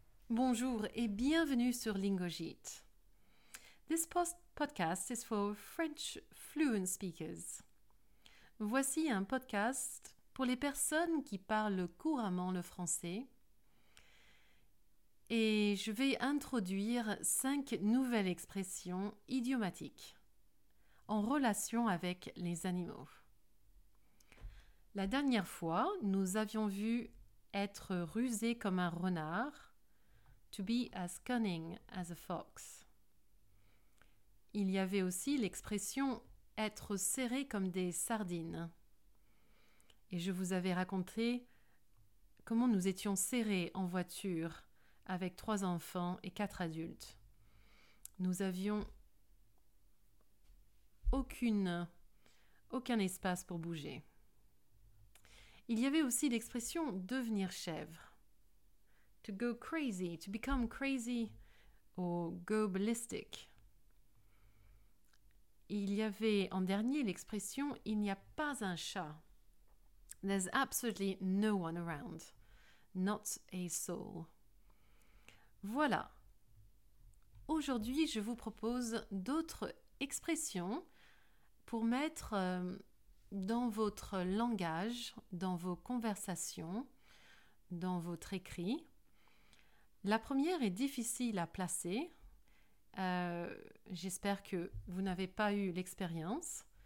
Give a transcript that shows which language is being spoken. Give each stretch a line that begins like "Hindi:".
French: Bonjour et bienvenue sur Lingojit.
English: This podcast is for French fluent speakers.
French: Voici un podcast pour les personnes qui parlent couramment le français. Et je vais introduire 5 nouvelles expressions idiomatiques en relation avec les animaux. La dernière fois, nous avions vu être rusé comme un renard.
English: To be as cunning as a fox.
French: Il y avait aussi l'expression être serré comme des sardines. Et je vous avais raconté comment nous étions serrés en voiture avec 3 enfants et 4 adultes. Nous avions aucun espace pour bouger. Il y avait aussi l'expression devenir chèvre.
English: To go crazy, to become crazy, or go ballistic.
French: Il y avait en dernier l'expression « il n'y a pas un chat ».
English: There's absolutely no one around. Not a soul. Voilà.
French: Aujourd'hui, je vous propose d'autres expressions pour mettre dans votre langage, dans vos conversations, dans votre écrit. La première est difficile à placer. J'espère que vous n'avez pas eu l'expérience.